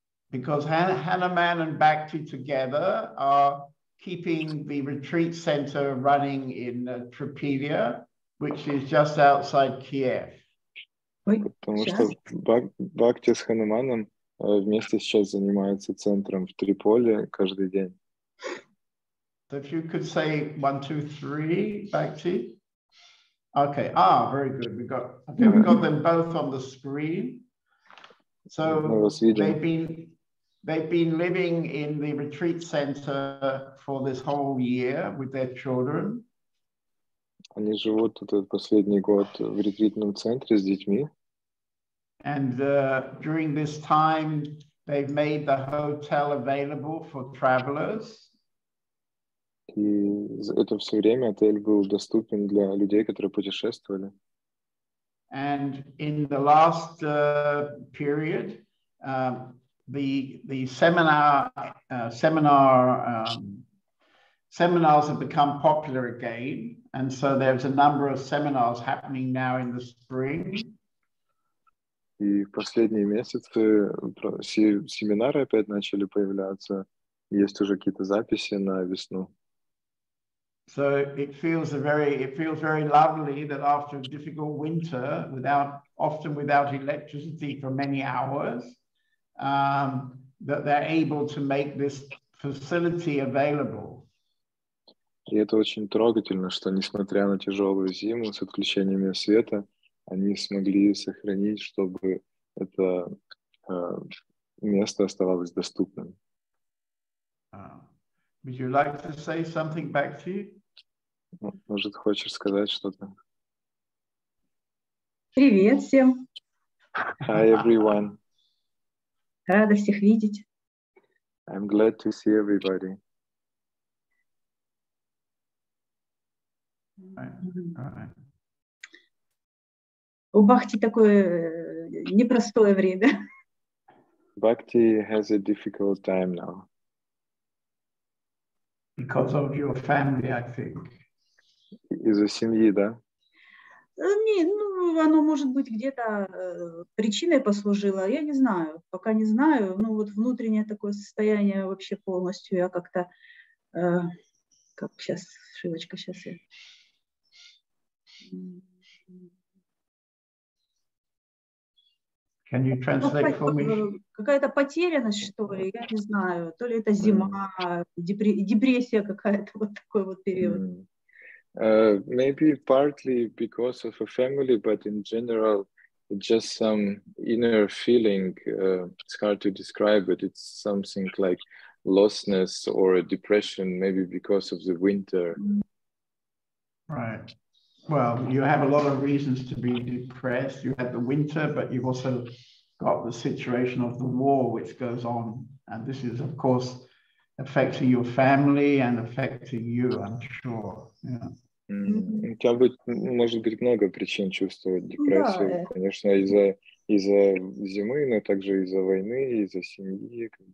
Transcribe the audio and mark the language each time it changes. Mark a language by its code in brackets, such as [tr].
[en] Because Hanuman and Bhakti together are keeping the retreat center running in Tripedia, which is just outside Kiev. [ru] Потому что Бхакти с Хануманом вместе сейчас занимаются центром в Триполе каждый день. [en] So if you could say 1, 2, 3, Bhakti. Okay, very good. We got them both on the screen. So they've been living in the retreat center for this whole year with their children. [ru] Они живут этот последний год в ретритном центре с детьми. [en] And during this time, they've made the hotel available for travelers. [ru] И это все время отель был доступен для людей, которые путешествовали. [en] And in the last period, the seminars have become popular again, and so there's a number of seminars happening now in the spring. [ru] И в последние месяцы семинары опять начали появляться. Есть уже какие-то записи на весну. [en] So it feels very lovely that after a difficult winter, often without electricity for many hours, that they're able to make this facility available. [ru] И это очень трогательно, что несмотря на тяжелую зиму с отключениями света, они смогли сохранить, чтобы это место оставалось доступным. [en] Would you like to say something back to you? [ru] Может, хочешь сказать что-то? Привет всем! [en] Hi, everyone! [ru] Рада всех видеть! [en] I'm glad to see everybody. [ru] У Бхакти такое непростое время. [en] Бхакти has a difficult time now. Because of your family, I think. [ru] Из-за семьи, да? Оно может быть где-то причиной послужило. Я не знаю, пока не знаю. Ну вот внутреннее такое состояние вообще полностью. Я как-то, как сейчас, Шивочка, сейчас я... [en] Can you translate for me? [ru] Какая-то потерянность, что ли, я не знаю. То ли это зима, депрессия какая-то, вот такой вот период. [en] Maybe partly because of a family, but in general, just some inner feeling. It's hard to describe, but it's something like lostness or a depression, maybe because of the winter. Right. Well, you have a lot of reasons to be depressed. You had the winter, but you've also got the situation of the war, which goes on. And this is, of course, affecting your family and affecting you, I'm sure. Yeah. [ru] У тебя может быть много причин чувствовать депрессию. Да. Конечно, из-за зимы, но также из-за войны, из-за семьи.